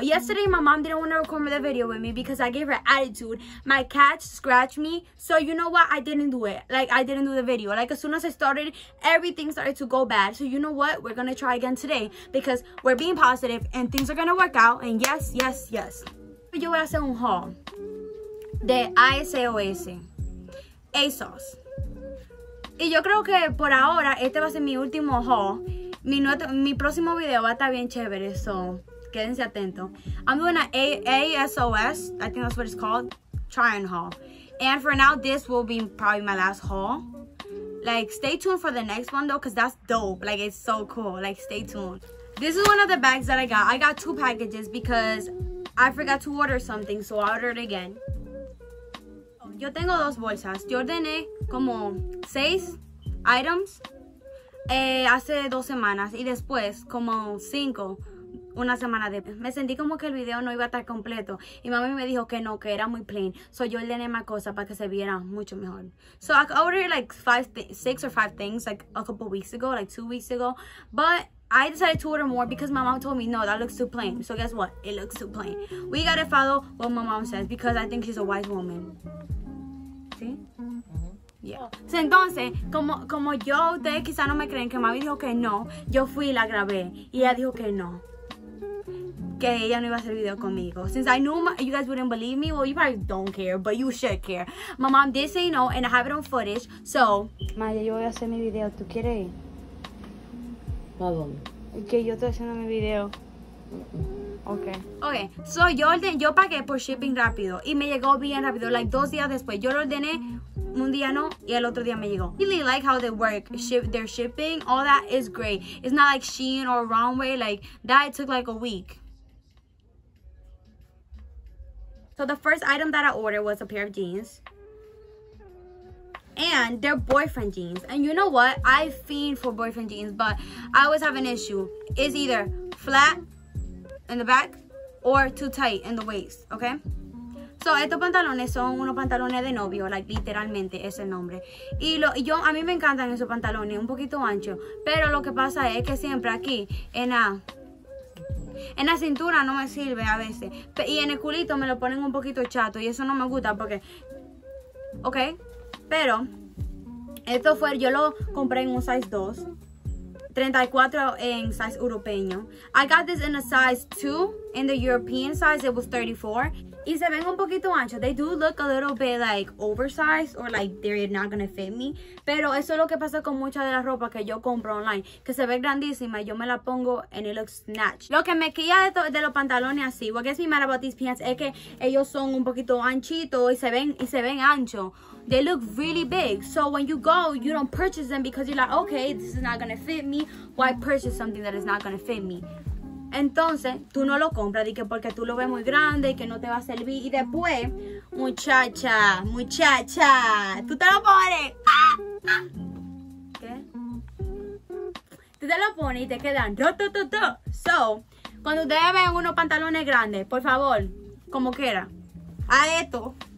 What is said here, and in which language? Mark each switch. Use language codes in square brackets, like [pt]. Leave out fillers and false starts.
[en] Yesterday, my mom didn't want to record the video with me because I gave her attitude. My cat scratched me. So, you know what? I didn't do it. Like, I didn't do the video. Like, as soon as I started, everything started to go bad. So, you know what? We're going to try again today because we're being positive and things are going to work out. And yes, yes, yes. [es] Yo voy a hacer un haul de Asos. Asos. Y yo creo que por ahora este va a ser mi último haul. Mi próximo video va a estar bien chévere, so quédense atentos. [en] I'm doing an ASOS, I think that's what it's called, try and haul. And for now, this will be probably my last haul. Like, stay tuned for the next one though, because that's dope. Like, it's so cool. Like, stay tuned. This is one of the bags that I got. I got two packages because I forgot to order something, so I ordered again. [es] Yo tengo dos bolsas. Yo ordené como 6 items hace 2 semanas y después como 5 una semana después. Me sentí como que el video no iba a estar completo y mami me dijo que no, que era muy plain. So yo ordené más cosas para que se viera mucho mejor. [en] So I ordered like 6 or 5 things like a couple weeks ago, like 2 weeks ago. But I decided to order more because my mom told me, no, that looks too plain. So guess what? It looks too plain. We gotta follow what my mom says because I think she's a wise woman. Sí. Yeah. [es] So, entonces, como yo, ustedes quizá no me creen que mami dijo que no, yo fui y la grabé y ella dijo que no, que ella no iba a hacer video conmigo. [en] Since I knew you guys wouldn't believe me, well, you probably don't care, but you should care. My mom did say no and I have it on footage, so. [es] Maya, yo voy a hacer mi video, ¿tú quieres ir? ¿A dónde? Que yo estoy haciendo mi video. Okay. So yo pagué por shipping rápido y me llegó bien rápido, like 2 días después. Yo lo ordené un día no y el otro día me llegó. [en] Really like how they work, their shipping, all that is great. It's not like Shein or Runway, like that it took like a week. So the first item that I ordered was a pair of jeans. And they're boyfriend jeans. And you know what? I fiend for boyfriend jeans, but I always have an issue. It's either flat in the back or too tight in the waist, okay? [es] So estos pantalones son unos pantalones de novio, like literalmente es el nombre. Y a mí me encantan esos pantalones, un poquito ancho. Pero lo que pasa es que siempre aquí en a En la cintura no me sirve a veces. Y en el culito me lo ponen un poquito chato. Y eso no me gusta porque... Ok. Pero... Esto fue... Yo lo compré en un size 2. 34 en size europeo. [en] I got this in a size 2. In the European size, it was 34. [es] Y se ven un poquito anchos. [en] They do look a little bit like oversized or like they're not gonna fit me. [es] Pero eso es lo que pasa con mucha de la ropa que yo compro online. Que se ve grandísima y yo me la pongo [en] and it looks snatched. [es] Lo que me quilla de los pantalones así, [en] what gets me mad about these pants [es] es que ellos son un poquito anchitos y se ven anchos. [en] They look really big. So when you go, you don't purchase them because you're like, okay, this is not gonna fit me. Why purchase something that is not gonna fit me? [es] Entonces, tú no lo compras, di que porque tú lo ves muy grande y que no te va a servir. Y después, muchacha, tú te lo pones. ¡Ah! ¡Ah! ¿Qué? Tú te lo pones y te quedan. So, cuando ustedes ven unos pantalones grandes, por favor, como quiera, a esto.